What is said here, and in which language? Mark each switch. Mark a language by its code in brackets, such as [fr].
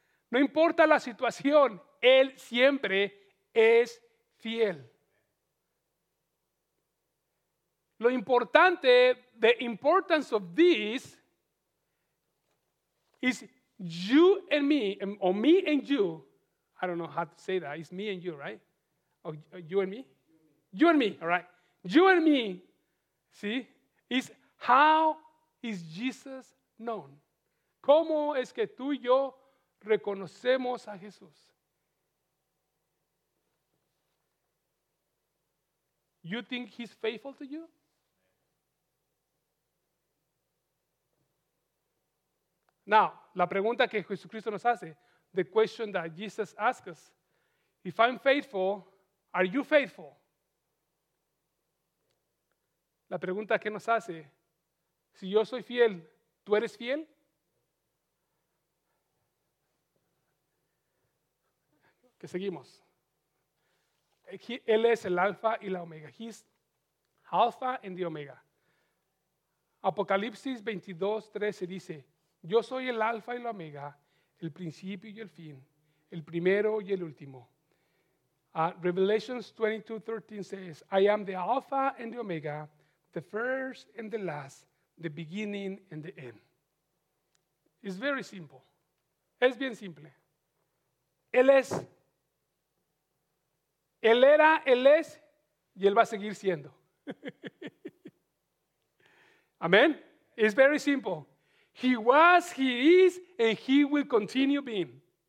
[es] No importa la situación, él siempre es fiel. Lo importante, [en] the importance of this is you and me, or me and you. I don't know how to say that. It's me and you, right? Or you and me? You and me, all right. You and me, see, is how is Jesus known? [es] ¿Cómo es que tú y yo reconocemos a Jesús? [en] You think he's faithful to you? Now, [es] la pregunta que Jesucristo nos hace, [en] the question that Jesus asks us, if I'm faithful, are you faithful? [es] La pregunta que nos hace, si yo soy fiel, ¿tú eres fiel? Que seguimos. Él es el alfa y la omega. [en] He's alfa and the omega. [es] Apocalipsis 22:13 dice, yo soy el alfa y la omega, el principio y el fin, el primero y el último. [en] Revelations 22:13 says, I am the alfa and the omega, the first and the last, the beginning and the end. It's very simple. [es] Es bien simple. Él es. Él era, él es, y él va a seguir siendo. [en] Amen. It's very simple. He was, he is, and he will continue being.